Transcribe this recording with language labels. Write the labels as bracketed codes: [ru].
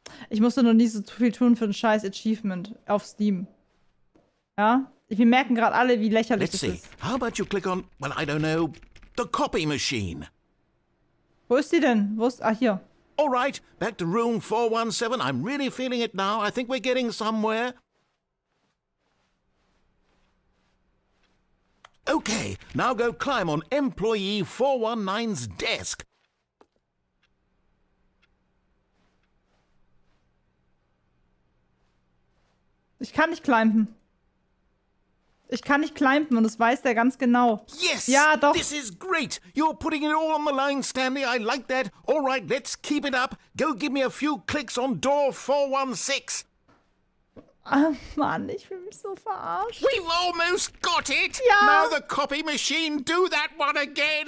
[de] Ich musste noch nie so zu viel tun für ein scheiß Achievement auf Steam. Ja? Wir merken gerade alle, wie lächerlich [en] Let's [de] das [en] see. [de] Ist. [en] Let's see. How about you click on, well, I don't know, the copy machine. [de] Wo ist sie denn? Wo ist, ach, hier. [en] All right, back to room 417. I'm really feeling it now. I think we're getting somewhere. Okay, now go climb on employee 419's desk. [de] Ich kann nicht climben. Ich kann nicht climben und das weiß der ganz genau. [en] Yes! [de] Ja, doch. [en] This is great! You're putting it all on the line, Stanley. I like that. All right, let's keep it up. Go give me a few clicks on door 416. [de] Ach, Mann, ich fühle mich so verarscht. [en] We've almost got it! [de] Ja! [en] Now the copy machine, do that one again!